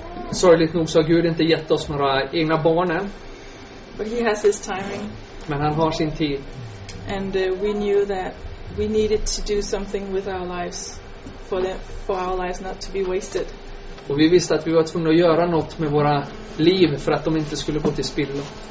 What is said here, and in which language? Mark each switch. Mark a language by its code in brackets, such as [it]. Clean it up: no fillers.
[sv] Sorgligt nog så har Gud inte gett oss några egna barn än. [en] But he has his timing. [sv] Men han har sin tid. [en] And we knew that we needed to do something with our lives for our lives not to be wasted. [sv] Och vi visste att vi var tvungna att göra något med våra liv för att de inte skulle gå till spillo.